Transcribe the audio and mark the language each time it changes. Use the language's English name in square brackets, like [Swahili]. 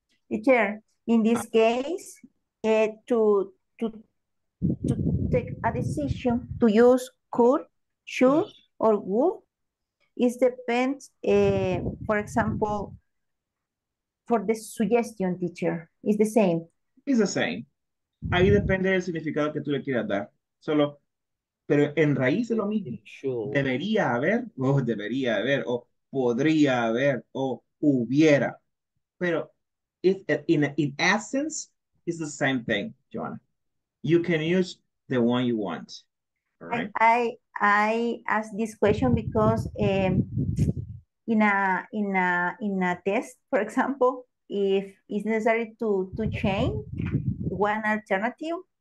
[English] Teacher, in this case, to take a decision to use could, should, or would, it depends, for example, for the suggestion, teacher, is the same. It's the same. [Spanish] Ahí depende del significado que tú le quieras dar. Solo, pero en raíz es lo mismo. [English] Sure. [Spanish] Debería haber, o oh, debería haber, o oh, podría haber, o oh, hubiera. [English] Pero in essence, it's the same thing, Joanna. You can use the one you want. Right? I ask this question because in a test, for example, if it's necessary to change one alternative